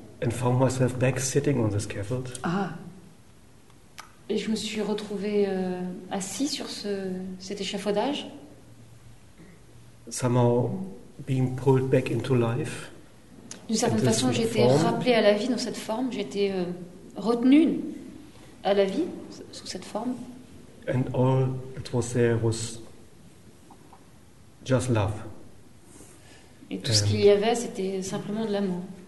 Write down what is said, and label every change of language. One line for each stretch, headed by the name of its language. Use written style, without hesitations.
English: And found myself back sitting on the scaffold.
French: Et je me suis retrouvée assise sur cet échafaudage.
English: Somehow being pulled back into life.
French: D'une certaine façon, j'ai été rappelée à la vie dans cette forme. J'ai été retenue à la vie sous cette forme.
English: And all that was there was just love.
French: Et tout ce qu'il y avait, c'était simplement de l'amour.